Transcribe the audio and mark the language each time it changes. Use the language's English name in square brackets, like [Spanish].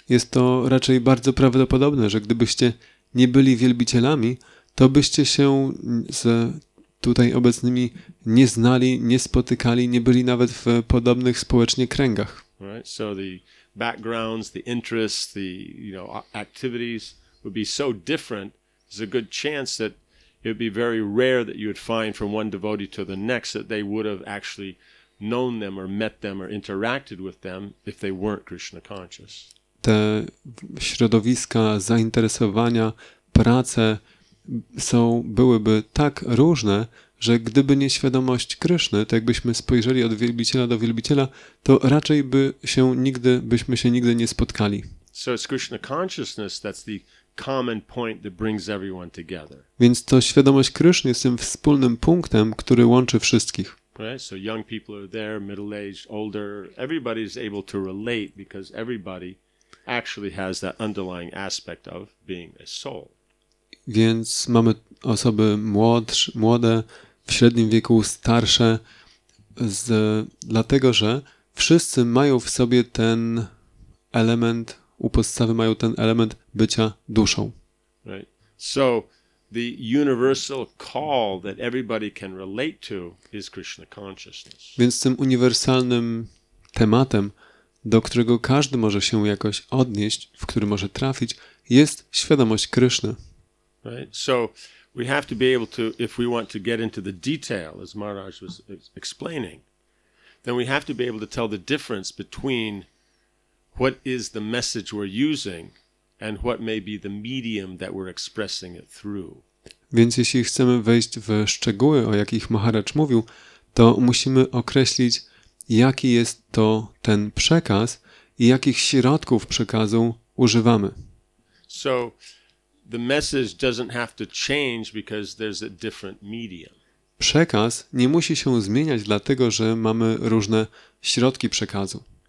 [Polish] Jest to raczej bardzo prawdopodobne, że gdybyście nie byli wielbicielami, to byście się z tutaj obecnymi nie znali, nie spotykali, nie byli nawet w podobnych społecznie kręgach. [English] Right, so the backgrounds, the interests, the activities would be so different. There's a good chance that it would be very rare that you would find from one devotee to the next that they would have actually known them or met them or interacted with them if they weren't Krishna conscious. [Polish] Te środowiska, zainteresowania, prace są, byłyby tak różne, że gdyby nie świadomość Kryszny, to jakbyśmy spojrzeli od wielbiciela do wielbiciela, to raczej byśmy się nigdy nie spotkali. [English] So it's Krishna consciousness that's the common point that brings everyone together. [Polish] Więc to świadomość Kryszny jest tym wspólnym punktem, który łączy wszystkich. [English] Right? So young people are there, middle-aged, older, everybody is able to relate because everybody actually has that underlying aspect of being a soul. [Polish] Więc mamy osoby młode, w średnim wieku, starsze, dlatego że wszyscy mają w sobie ten element, u podstawy mają ten element bycia duszą. [English] Right. So the universal call that everybody can relate to is Krishna consciousness. [Polish] Więc tym uniwersalnym tematem, do którego każdy może się jakoś odnieść, w który może trafić, jest świadomość Kryszny. [English] Right. So we have to be able to, if we want to get into the detail, as Maharaj was explaining, then we have to be able to tell the difference between what is the message we're using and what may be the medium that we're expressing it through. [Polish] Więc jeśli chcemy wejść w szczegóły, o jakich Maharaj mówił, to musimy określić, jaki jest to ten przekaz i jakich środków przekazu używamy. [English] So the message doesn't have to change because there's a different medium. [Polish] Przekaz nie musi się zmieniać dlatego, że mamy różne środki przekazu.